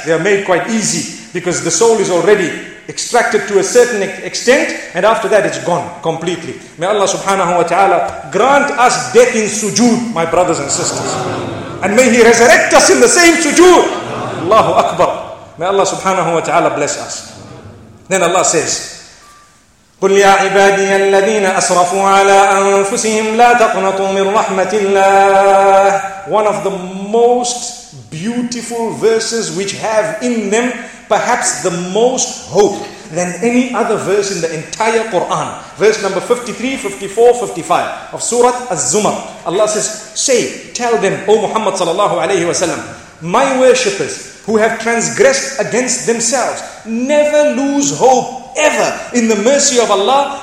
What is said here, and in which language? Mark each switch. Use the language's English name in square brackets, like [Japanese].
[English] They are made quite easy because the soul is already extracted to a certain extent, and after that it's gone completely. May Allah subhanahu wa ta'ala grant us death in sujood, my brothers and sisters. And may He resurrect us in the same sujood. Allahu Akbar. May Allah subhanahu wa ta'ala bless us. Then Allah says, [Arabic] قل يا عبادي الذين أسرفوا على أنفسهم لا تقنطوا من رحمة الله. [English] One of the most beautiful verses which have in them perhaps the most hope than any other verse in the entire Quran. Verse number 53, 54, 55 of Surah Az-Zumar. Allah says, say, tell them, O Muhammad sallallahu alayhi wa sallam, my worshippers who have transgressed against themselves, never lose hope ever in the mercy of Allah.